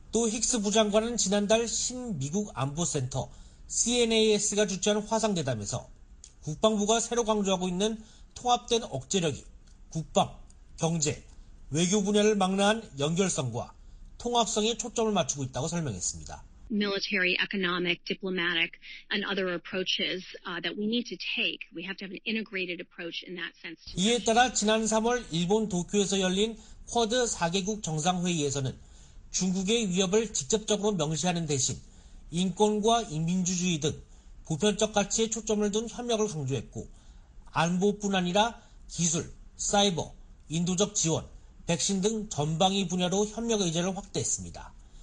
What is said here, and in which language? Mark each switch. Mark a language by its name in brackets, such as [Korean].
[Korean] 또 힉스 부장관은 지난달 신미국 안보센터 CNAS가 주최한 화상대담에서 국방부가 새로 강조하고 있는 통합된 억제력이 국방, 경제, 외교 분야를 망라한 연결성과 통합성에 초점을 맞추고 있다고 설명했습니다. [English] Military, economic, diplomatic, and other approaches that we need to take. We have to have an integrated approach in that sense. [Korean] 이에 따라 지난 3월 일본 도쿄에서 열린 쿼드 4개국 정상회의에서는 중국의 위협을 직접적으로 명시하는 대신 인권과 인민주의 등 보편적 가치에 초점을 둔 협력을 강조했고 안보뿐 아니라 기술, 사이버, 인도적 지원, 백신 등 전방위 분야로 협력 의제를 확대했습니다.